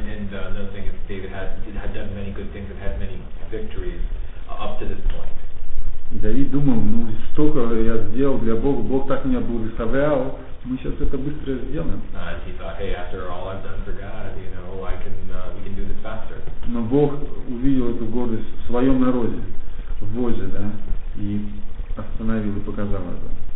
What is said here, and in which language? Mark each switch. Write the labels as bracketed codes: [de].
[en] Another thing is David had done many good things and had many victories up to this point. [ru] Давид думал, ну столько я сделал для Бога, Бог так меня благословлял, мы сейчас это быстро сделаем. [en] And he thought, hey, after all I've done for God, you know, we can do this faster. [ru] Но Бог увидел эту гордость в своем народе, в возе, да, и остановил и показал это.